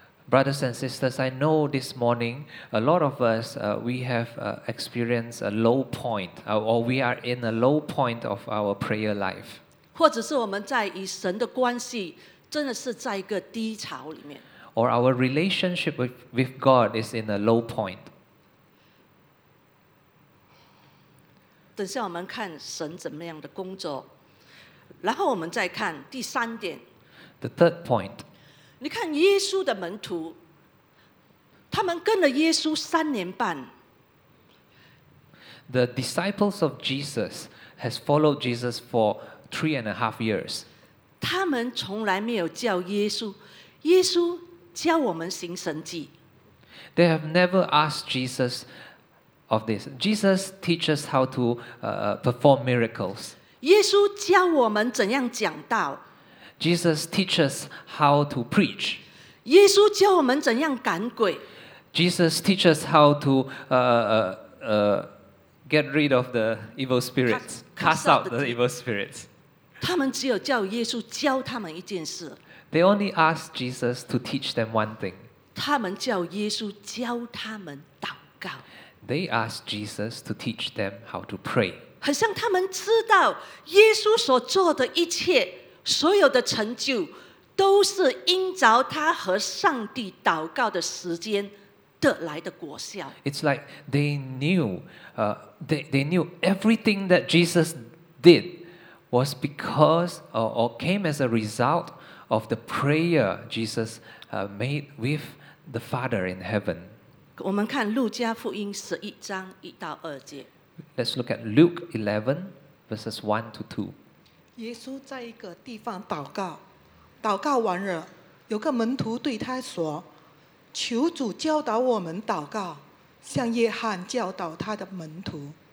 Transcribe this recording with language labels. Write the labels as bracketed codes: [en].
[en] Brothers and sisters, I know this morning a lot of us we have experienced a low point, or we are in a low point of our prayer life. [zh] 或者是我们在与神的关系真的是在一个低潮里面。 [en] Or our relationship with God is in a low point. [zh] 等下我们看神怎么样的工作。然后我们再看第三点。 [en] The third point. [zh] 你看耶稣的门徒，他们跟了耶稣三年半。 [en] The disciples of Jesus has followed Jesus for 3.5 years. [zh] 他们从来没有叫耶稣，耶稣教我们行神迹。 [en] They have never asked Jesus of this. Jesus teaches how to perform miracles. [zh] 耶稣教我们怎样讲道。 [en] Jesus teaches how to preach. [zh] 耶稣教我们怎样赶鬼。 [en] Jesus teaches how to get rid of the evil spirits, cast out the evil spirits. [zh] 他们只有叫耶稣教他们一件事。 [en] They only ask Jesus to teach them one thing. [zh] 他们叫耶稣教他们祷告。 [en] They ask Jesus to teach them how to pray. [zh] 很像他们知道耶稣所做的一切，所有的成就，都是因着他和上帝祷告的时间得来的果效。 [en] It's like they knew, they knew everything that Jesus did was because or came as a result of the prayer Jesus made with the Father in heaven. [zh] 我们看路加福音十一章一到二节。 [en] Let's look at Luke 11 verses 1 to 2. [zh] 耶稣在一个地方祷告，祷告完了，有个门徒对他说，求主教导我们祷告，像约翰教导他的门徒。